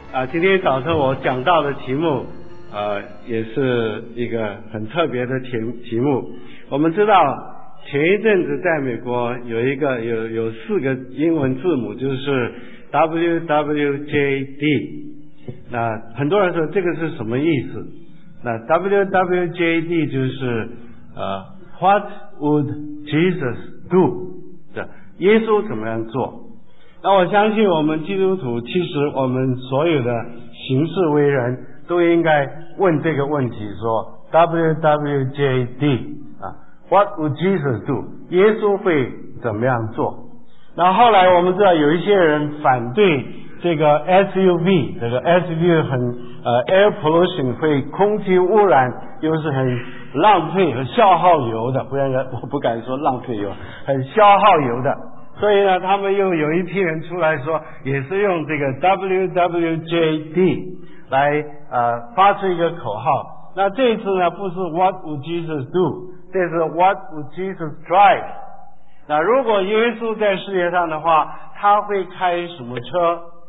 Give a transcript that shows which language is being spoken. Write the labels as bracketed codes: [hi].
[zh] 今天早上我讲到的题目也是一个很特别的题目。我们知道前一阵子在美国有四个英文字母，就是 WWJD。那很多人说这个是什么意思？ [en] 那 WWJD [zh] 就是 [en] What would Jesus do? [zh] 耶稣怎么样做。那我相信我们基督徒，其实我们所有的行事为人都应该问这个问题，说 WWJD [en] What would Jesus do? [zh] 耶稣会怎么样做。那后来我们知道有一些人反对这个 SUV， 这个 SUV 很air pollution， 会空气污染，又是很浪费和消耗油的，不然我不敢说浪费油，很消耗油的。所以呢，他们又有一批人出来说，也是用这个 WWJD 来发出一个口号。那这次呢，不是 [en] What would Jesus do， [zh] 这是 [en] What would Jesus drive。 [zh] 那如果耶稣在世界上的话，他会开什么车？